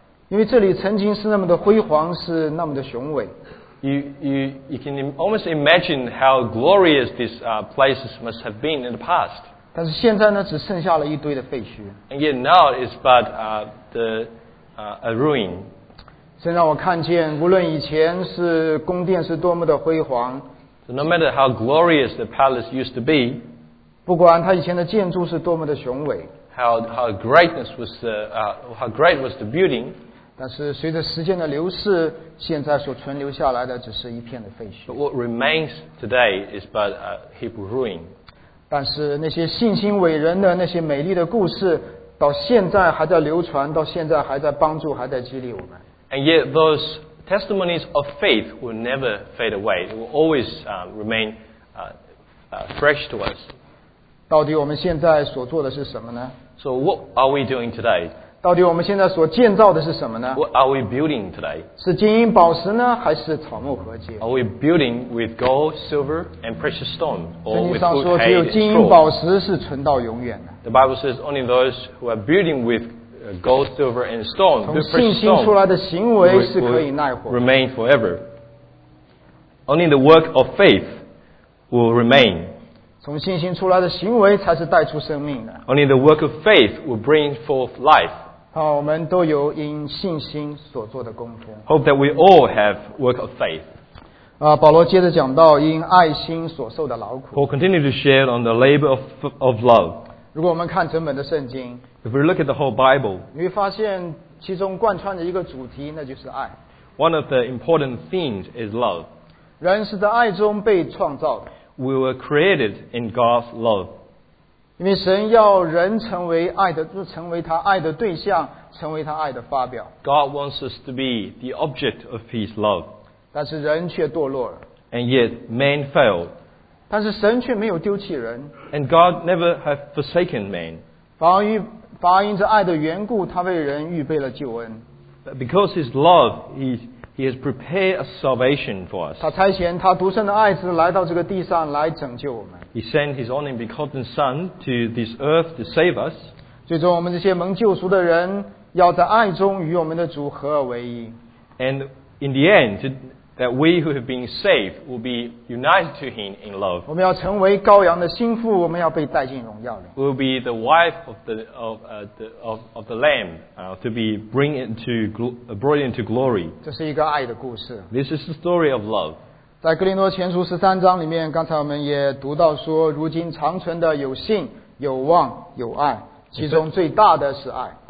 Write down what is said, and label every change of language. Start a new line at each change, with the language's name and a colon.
Chinese: 因为这里曾经是那么的辉煌，是那么的雄伟。
English: You can almost imagine how glorious these places must have been in the past.
Chinese: 但是现在呢，只剩下了一堆的废墟。
English: And yet now it's but a ruin.
Chinese: 现在我看见，无论以前是宫殿是多么的辉煌
English: ，So no matter how glorious the palace used to be，
Chinese: 不管它以前的建筑是多么的雄伟
English: ，how great was the building，
Chinese: 但是随着时间的流逝，现在所存留下来的只是一片的废墟。
English: But what remains today is but a heap of ruin.
Chinese: 但是那些信心伟人的那些美丽的故事，到现在还在流传，到现在还在帮助，还在激励我们。
English: And yet those testimonies of faith will never fade away. It will always remain fresh to us.
Chinese: 到底我们现在所做的是什么呢?
English: So what are we doing today?
Chinese: 到底我们现在所建造的是什么呢?
English: What are we building today?
Chinese: 是金银宝石呢还是草木和秸?
English: Are we building with gold, silver, and precious stone? Or with wood, hay, and straw?
Chinese: 只有金银宝石是存到永远的。
English: The Bible says only those who are building withGold, silver, and stone.
Chinese: 从信心出来的行为是可以耐活。
English: Remain forever. Only the work of faith will remain.
Chinese: 从信心出来的行为才是带出生命的。
English: Only the work of faith will bring forth life.
Chinese: 好，我们都有因信心所做的工作。
English: Hope that we all have work of faith.
Chinese: 啊，保罗接着讲到因爱心所受的劳苦。
English: Paul continued to share on the labor of love.
Chinese: 如果我们看整本的圣经
English: If we look at the whole Bible,
Chinese: 你会发现其中贯穿的一个主题那就是爱
English: One of the important themes is love
Chinese: 人是在爱中被创造的
English: We were created in God's love
Chinese: 因为神要人成为爱的成为他爱的对象成为他爱的发表
English: God wants us to be the object of His love
Chinese: 但是人却堕落了
English: And yet man failed
Chinese: 但是神却没有丢弃人
English: And God never has forsaken man.
Chinese: 反而因着爱的缘故他为人预备了救恩
English: But because his love, he has prepared a salvation for us.
Chinese: 他差遣他独生的爱子来到这个地上来拯救我们
English: He sent his only begotten son to this earth to save us.
Chinese: 最终我们这些蒙救赎的人要在爱中与我们的主合而为一
English: And in the end, that we who have been saved will be united to him in love.
Chinese: 我们要成为羔羊的心腹，我们要被带进荣耀里。
English: We'll be the wife of the lamb, to be brought into glory.
Chinese: 这是一个爱的故事。
English: This is the story of love.
Chinese: 在哥林多前书十三章里面，刚才我们也读到说，如今长存的有信、有望、有爱，其中最大的是爱。